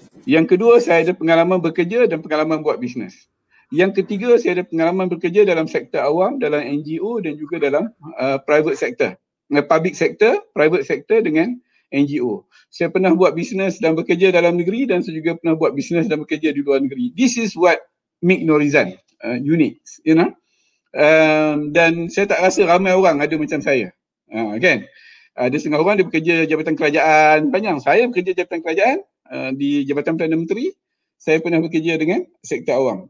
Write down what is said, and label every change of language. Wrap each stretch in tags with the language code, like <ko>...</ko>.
<ms>Yang kedua, saya ada pengalaman bekerja dan pengalaman buat bisnes. Yang ketiga, saya ada pengalaman bekerja dalam sektor awam, dalam NGO dan juga dalam</ms> <en>private sector. Public sector, private sector dengan NGO.</en> <ms>Saya pernah buat bisnes dan bekerja dalam negeri, dan saya juga pernah buat bisnes dan bekerja di luar negeri.</ms> <en>This is what make Norizan unique, you know.</en> <ms>Dan saya tak rasa ramai orang ada macam saya. Kan? Ada setengah orang dia bekerja jabatan kerajaan panjang. Saya bekerja jabatan kerajaan di Jabatan Perdana Menteri. Saya pernah bekerja dengan sektor awam.</ms>